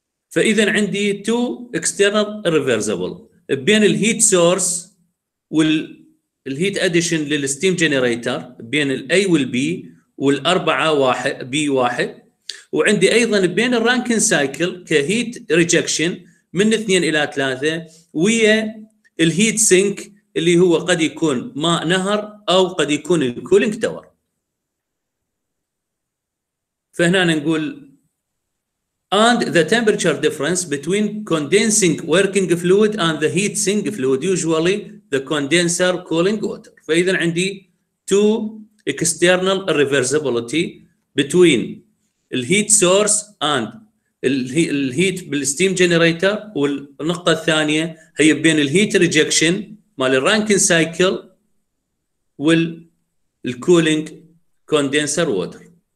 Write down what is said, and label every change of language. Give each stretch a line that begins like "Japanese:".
Arabic: فإذا عندي
English: two external reversible
Arabic: بين الهيت سورس والهيت أديشن للستيم جنريتر بين الأي والبي والأربعة واحد بي واحد، وعندي أيضا بين الرانكين سايكل كهيت ريجكشن من 2 إلى 3 ويا الهيت سينك اللي هو قد يكون ماء نهر أو قد يكون الكولينج تاور. فهنا نقول
English: and the temperature difference between condensing working fluid and the heat sink fluid usually the condenser cooling water.
Arabic: فإذا عندي
English: two external irreversibility between the heat source and
Arabic: الهيت بالستيم جنريتر، والنقطة الثانية هي بين الهيت ريجكشن مال الرانكين سايكل والكولينج كوندنسر ووتر.